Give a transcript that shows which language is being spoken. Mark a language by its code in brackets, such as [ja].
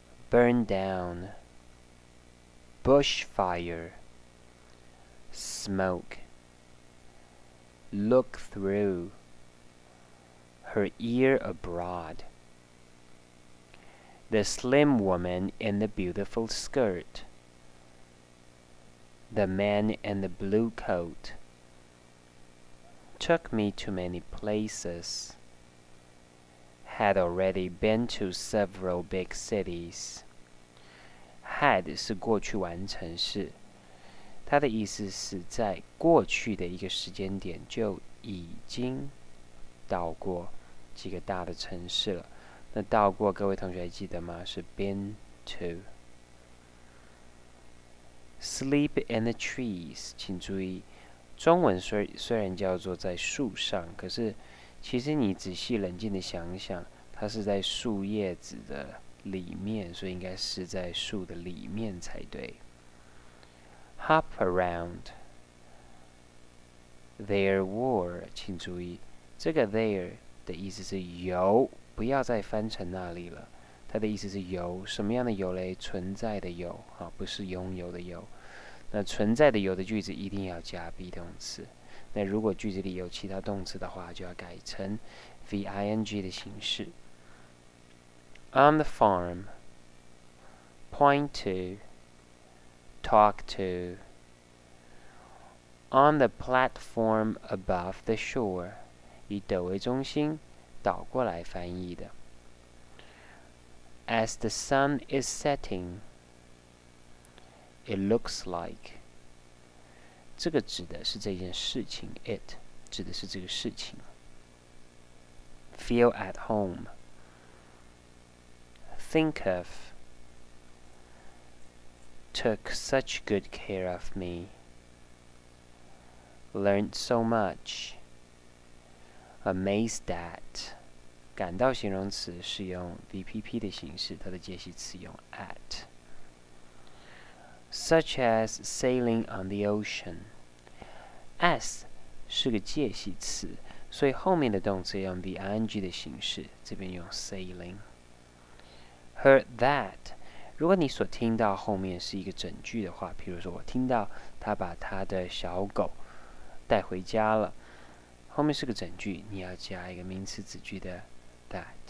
[en] burn down,Bushfire, smoke, look through, her ear abroad, the slim woman in the beautiful skirt, the man in the blue coat, took me to many places, had already been to several big cities. [zh] Had 是过去完成式，它的意思是在过去的一个时间点就已经到过几个大的城市了。那到过，各位同学还记得吗？ [en] 是 been to。 Sleep in the trees， [zh] 请注意，中文虽然叫做在树上，可是其实你仔细冷静的想想，它是在树叶子的。里面，所以应该是在树的里面才对。 [en] Hop around. [zh] There were, 请注意，这个 there 的意思是有，不要再翻成那里了。它的意思是有，什么样的有嘞？存在的有，好，不是拥有的有。那存在的有的句子一定要加 be 动词。那如果句子里有其他动词的话，就要改成 ving 的形式。 [en] On the farm, point to, talk to. On the platform above the shore, [zh] 以斗为中心，倒过来翻译的。 [en] As the sun is setting, it looks like. [zh] 这个指的是这件事情 it 指的是这个事情。 [en] Feel at home. Think of, took such good care of me, learned so much, amazed at. [zh] 感到形容词是用 VPP 的形式，它的介系词用 at. [en] Such as sailing on the ocean. [zh] S 是个介系词，所以后面的动词用 VING 的形式，这边用 sailing. [en] Heard that. [zh] 如果你所听到后面是一个整句的话，譬如说我听到他把他的小狗带回家了，后面是个整句，你要加一个名词子句的 that.